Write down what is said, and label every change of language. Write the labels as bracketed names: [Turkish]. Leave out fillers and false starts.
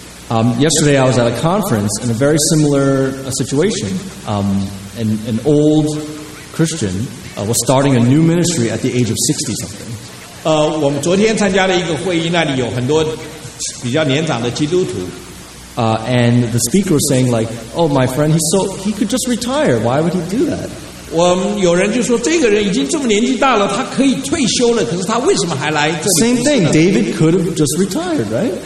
[English] Yesterday I was at a conference in a very similar situation. An old Christian was starting a new ministry at the age of 60-something. [Chinese] 我们昨天参加了一个会议，那里有很多比较年长的基督徒。 [English] And the speaker was saying, like, oh, my friend, he could just retire. Why would he do that? [Chinese] 有人就说，这个人已经这么年纪大了，他可以退休了，可是他为什么还来这里？ [English] Same thing, David could have just retired, right?